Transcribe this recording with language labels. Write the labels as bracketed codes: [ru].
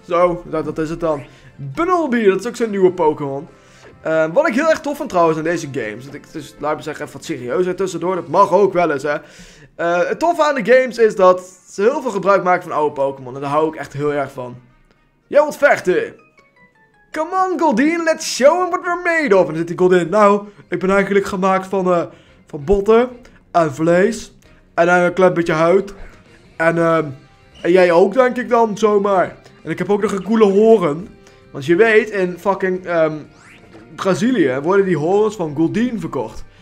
[nl] Zo, dat is het dan. Bunnelbier, dat is ook zo'n nieuwe Pokémon. Wat ik heel erg tof vind trouwens aan deze games. Dat ik, dus laat me zeggen, even wat serieuzer tussendoor. Dat mag ook wel eens, hè. Het toffe aan de games is dat ze heel veel gebruik maken van oude Pokémon. En daar hou ik echt heel erg van. Jij wilt vechten. [en] Come on, Goldeen. Let's show him what we're made of. [nl] En dan zit die Goldeen. Nou, ik ben eigenlijk gemaakt van botten. En vlees. En een klein beetje huid. En jij ook, denk ik dan, zomaar. En ik heb ook nog een coole horen. Want je weet, in fucking Brazilië worden die horens van Goldeen verkocht.